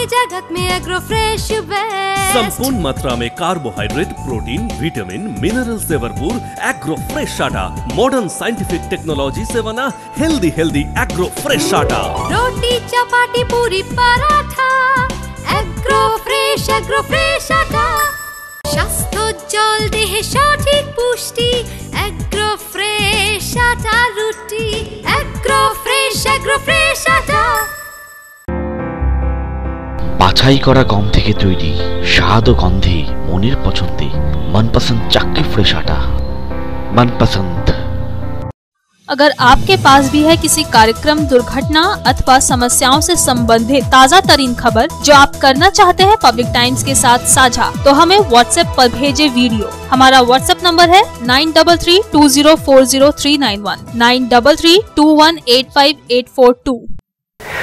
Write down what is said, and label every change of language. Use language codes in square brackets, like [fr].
[hi] संपूर्ण मात्रा में कार्बोहाइड्रेट, प्रोटीन, विटामिन, मिनरल्स से भरपूर एग्रो फ्रेश आटा, मॉडर्न साइंटिफिक टेक्नोलॉजी से बना हेल्दी हेल्दी एग्रो फ्रेश आटा। रोटी, चपाती, पूरी, paratha, agro fresh, agro fresh आटा। [bn] স্বাস্থ্যোজ্জ্বল দেহে সঠিক পুষ্টি, এগ্রো ফ্রেশ আটা রুটি, এগ্রো ফ্রেশ, এগ্রো ফ্রেশ আটা। বাছাই করা গম থেকে তৈরি স্বাদ ও গন্ধে মনের পছন্দে মনপসন্দ চাক্কি ফ্রেশ আটা, মনপসন্দ। [hi] अगर आपके पास भी है किसी कार्यक्रम, दुर्घटना अथवा समस्याओं से संबंधित ताज़ा तरीन खबर जो आप करना चाहते हैं पब्लिक टाइम्स के साथ साझा, तो हमें व्हाट्सएप पर भेजे वीडियो। हमारा व्हाट्सएप नंबर है 9332040391।